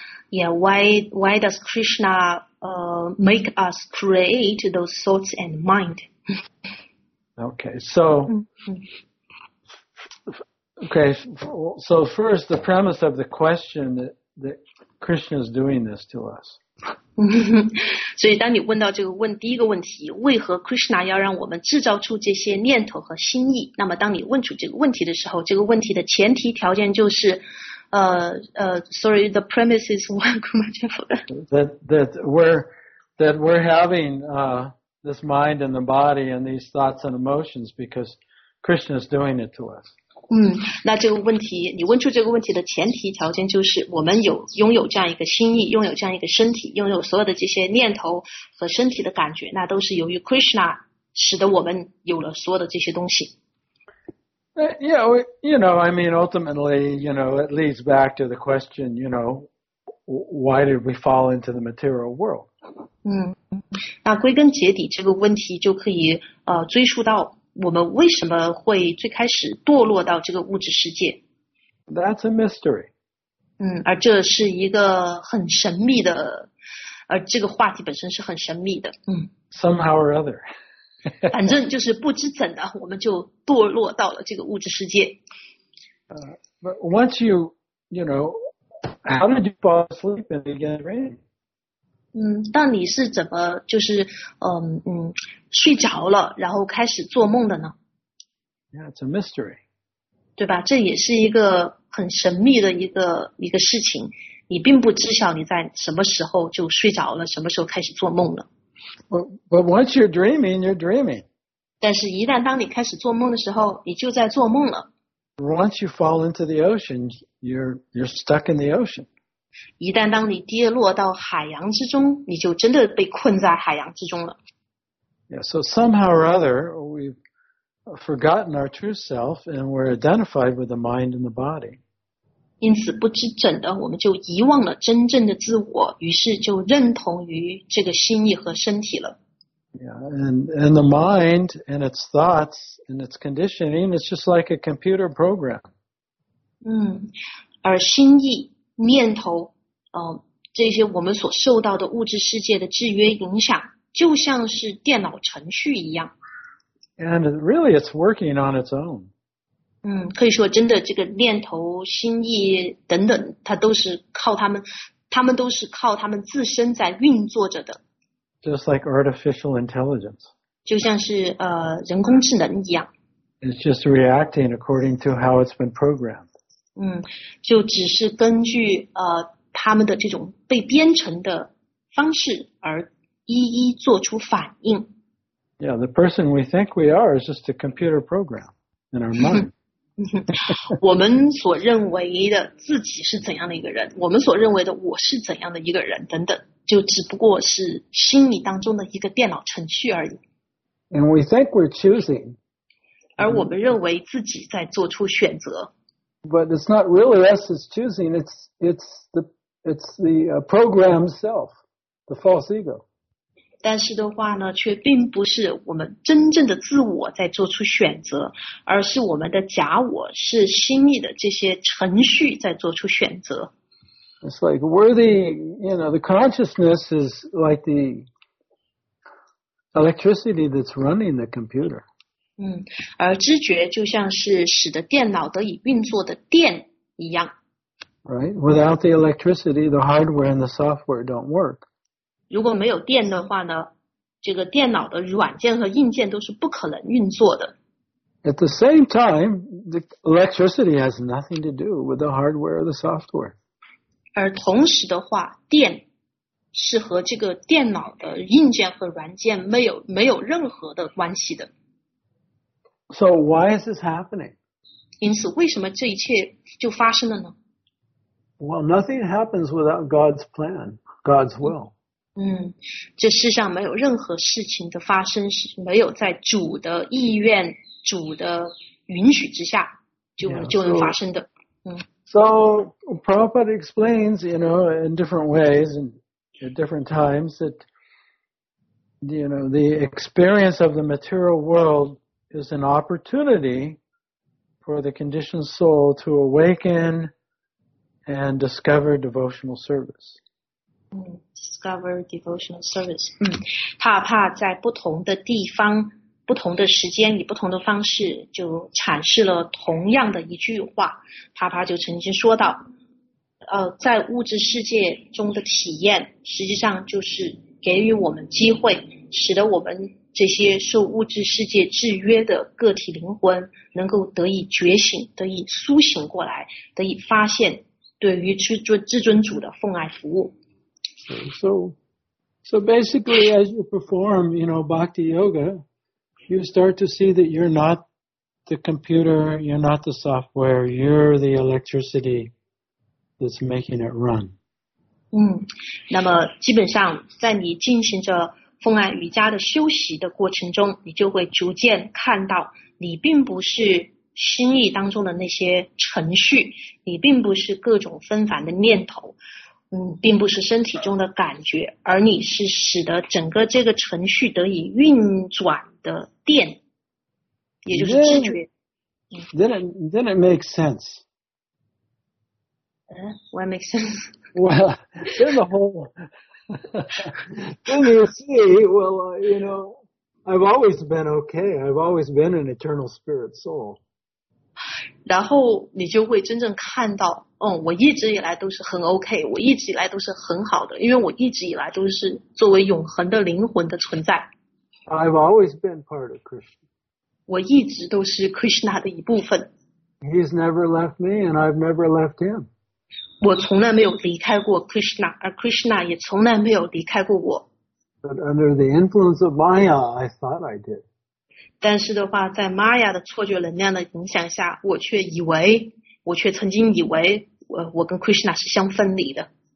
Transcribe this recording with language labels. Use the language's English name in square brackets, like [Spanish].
[English] Yeah, why does Krishna make us create those thoughts and mind? Okay, so... Okay, so first, the premise of the question that Krishna is doing this to us. [Chinese] 所以当你问到这个问第一个问题，为何 Krishna 要让我们制造出这些念头和心意？那么当你问出这个问题的时候，这个问题的前提条件就是， [English] sorry, the premise is one. that we're having this mind and the body and these thoughts and emotions because Krishna is doing it to us. [Chinese] 那这个问题，你问出这个问题的前提条件就是我们有拥有这样一个心意，拥有这样一个身体，拥有所有的这些念头和身体的感觉，那都是由于 Krishna 使得我们有了所有的这些东西。 [English] Ultimately, it leads back to the question, you know, why did we fall into the material world? [Chinese] 那归根结底这个问题就可以追溯到我们为什么会最开始堕落到这个物质世界？ [English] That's a mystery. [Chinese] 而这是一个很神秘的，而这个话题本身是很神秘的。 [English] Somehow or other. [Chinese] 反正就是不知怎的，我们就堕落到了这个物质世界。 [English] But once you know, how did you fall asleep and begin to rain? [Chinese] 但你是怎么就是睡着了然后开始做梦的呢？ [English] Yeah, it's a mystery. [Chinese] 对吧，这也是一个很神秘的一个事情，你并不知晓你在什么时候就睡着了，什么时候开始做梦了。 [English] But once you're dreaming, you're dreaming. [Chinese] 但是一旦当你开始做梦的时候，你就在做梦了。 [English] Once you fall into the ocean, you're stuck in the ocean. [Chinese] 一旦当你跌落到海洋之中，你就真的被困在海洋之中了。 [English] Yeah, so somehow or other, we've forgotten our true self and we're identified with the mind and the body. [Chinese] 因此不知怎的，我们就遗忘了真正的自我，于是就认同于这个心意和身体了。 [English] Yeah, and the mind and its thoughts and its conditioning is just like a computer program. [Chinese] 而心意念头，这些我们所受到的物质世界的制约影响，就像是电脑程序一样。 [English] And really, it's working on its own. [Chinese] 可以说真的，这个念头、心意等等，它都是靠他们都是靠他们自身在运作着的。 [English] Just like artificial intelligence. [Chinese] 就像是人工智能一样。 [English] It's just reacting according to how it's been programmed. [Chinese] 就只是根据他们的这种被编程的方式而一一做出反应。 [English] Yeah, the person we think we are is just a computer program in our mind. [Chinese] 我们所认为的自己是怎样的一个人，我们所认为的我是怎样的一个人等等，就只不过是心理当中的一个电脑程序而已。 [English] And we think we're choosing. [Chinese] 而我们认为自己在做出选择。 [English] But it's not really us that's choosing, it's the program self, the false ego. [Chinese] 但是的话呢，却并不是我们真正的自我在做出选择，而是我们的假我，是心里的这些程序在做出选择。 [English] It's like we're the, you know, the consciousness is like the electricity that's running the computer. [Chinese] 而知觉就像是使得电脑得以运作的电一样。 [English] Right, without the electricity, the hardware and the software don't work. [Chinese] 如果没有电的话呢，这个电脑的软件和硬件都是不可能运作的。 [English] At the same time, the electricity has nothing to do with the hardware or the software. [Chinese] 而同时的话，电是和这个电脑的硬件和软件没有任何的关系的。 [English] So why is this happening? [Chinese] 因此为什么这一切就发生了呢？ [English] Well, nothing happens without God's plan, God's will. [Chinese] 这世上没有任何事情的发生是没有在主的意愿、主的允许之下就能发生的。 [English] So, Prabhupada explains, you know, in different ways and at different times that, you know, the experience of the material world is an opportunity for the conditioned soul to awaken and discover devotional service. Discover devotional service. [Chinese] 怕怕在不同的地方、不同的时间以不同的方式就阐释了同样的一句话。怕怕就曾经说到，在物质世界中的体验实际上就是给予我们机会，使得我们这些受物质世界制约的个体灵魂能够得以觉醒、得以苏醒过来、得以发现对于至尊主的奉爱服务。 [English] So basically, as you perform, you know, bhakti yoga, you start to see that you're not the computer, you're not the software, you're the electricity that's making it run. [Chinese] 那么基本上在你进行着奉爱瑜伽的修习的过程中，你就会逐渐看到你并不是心意当中的那些程序，你并不是各种纷繁的念头，并不是身体中的感觉，而你是使得整个这个程序得以运转的电，也就是知觉。 [English] Then it makes sense. Why makes sense? Well, then the whole then you see, well, you know, I've always been okay. I've always been an eternal spirit soul. [Chinese] 然后你就会真正看到，我一直以来都是很 OK， 我一直以来都是很好的，因为我一直以来都是作为永恒的灵魂的存在。 [English] I've always been part of Krishna. [Chinese] 我一直都是 Krishna 的一部分。 [English] He's never left me, and I've never left him. [Chinese] 我从来没有离开过 Krishna， 而 Krishna 也从来没有离开过我。 [English] But under the influence of Maya, I thought I did. [Chinese] 但是的话，在玛雅的错觉能量的影响下，我却曾经以为我跟 Krishna 是相分离的。